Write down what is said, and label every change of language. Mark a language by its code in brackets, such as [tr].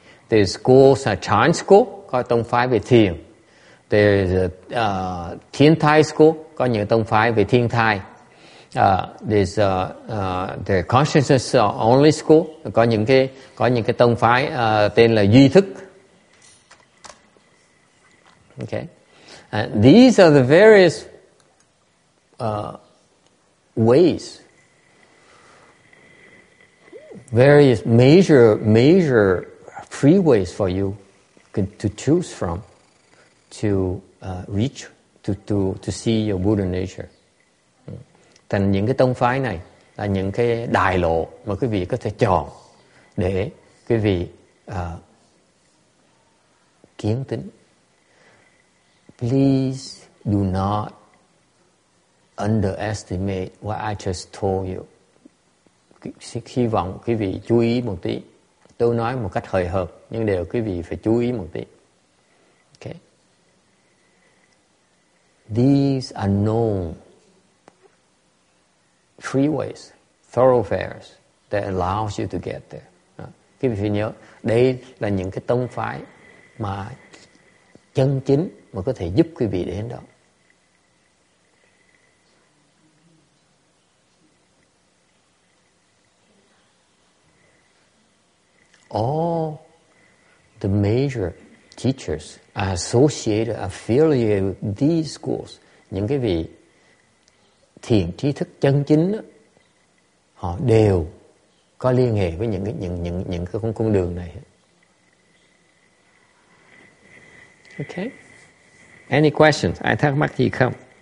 [en] There's schools, Chan school, [vi] có tông phái về thiền. [en] There's Thiên Thai school, [vi] có những tông phái về thiên thai. [en] There's the consciousness only school, [vi] có những cái tông phái tên là duy thức. [en] Okay, and these are the various ways, various major three ways for you to choose from to reach to see your Buddha nature. [vi] Thành những cái tông phái này là những cái đại lộ mà quý vị có thể chọn để quý vị kiến tính. [en] Please do not underestimate what I just told you. [vi] Hy vọng quý vị chú ý một tí. Tôi nói một cách hời hợt, nhưng đều quý vị phải chú ý một tí. [en] Okay. These are known freeways, thoroughfares that allows you to get there. [vi] Quý vị phải nhớ, đây là những cái tông phái mà chân chính mà có thể giúp quý vị đến đó. [en] All the major teachers are associated, affiliated with these schools. [vi] Những cái vị thiền trí thức chân chính đó, họ đều có liên hệ với những cái con đường này. [en] Okay. Any questions? [vi] Ai thắc mắc gì không?